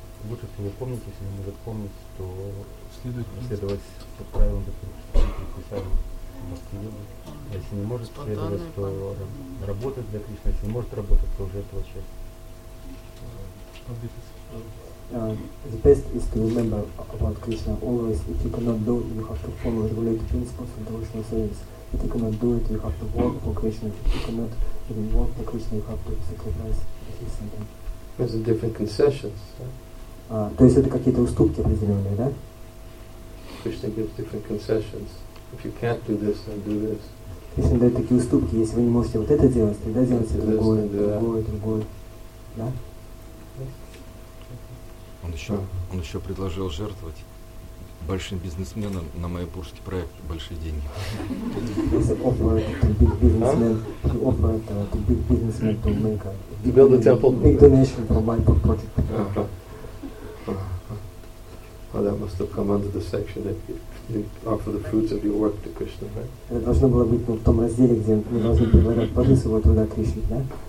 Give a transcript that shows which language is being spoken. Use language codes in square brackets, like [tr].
[ru] Лучше, если не помнить, если не может помнить, то следует следовать по правилам, допустим, если не может следовать, то работать для Кришны, если не может работать, то уже этого часть. [en] The best is to remember about Krishna always. If you cannot do it, you have to follow related principles of devotional service. If you cannot do it, you have to work for Krishna. If you cannot even work for Krishna, you have to sacrifice at least something. There's a different concessions. [ru] То есть это какие-то уступки определенные, да? [en] Krishna gives different concessions. If you can't do this, then do this. [ru] Krishna дает такие уступки. Если вы не можете вот это делать, тогда делайте другое, другое, другое. Да? Он еще предложил жертвовать большим бизнесменам на майяпурский проект большие деньги. [en] He offered to big businessmen. He offered to big businessmen to make a build a temple. Big donation for Maipur project. Well, that must have come under the section that you offer the fruits of your work to Krishna, right? [ru] It должно было быть в том разделе, где мы должны предлагать плоды своего труда Кришне, да?